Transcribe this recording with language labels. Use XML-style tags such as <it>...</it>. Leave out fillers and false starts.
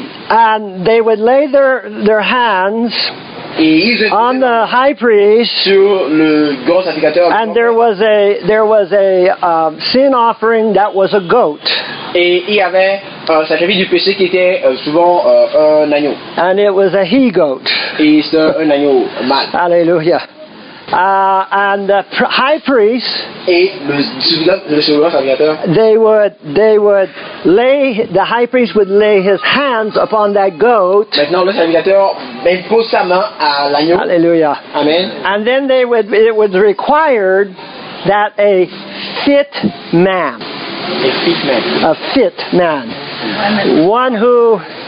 <en>And they would lay their hands on the high priest,</en> <fr>sur le grand sacrificateur,</fr> <en>and there was a sin offering that was a goat.</en> <fr>Et il y avait un sacrifice du péché qui était souvent un agneau.</fr> <en>And it was a he goat.</en> <fr>Et c'était un agneau mâle. Alléluia.</fr> <en>And the high priest, they would lay, the high priest would lay his hands upon that goat.</en> <fr>Maintenant, le sacrificateur impose sa main à l'agneau.</fr> <en>Hallelujah. Amen. And then it was required that a fit man, one who.</en>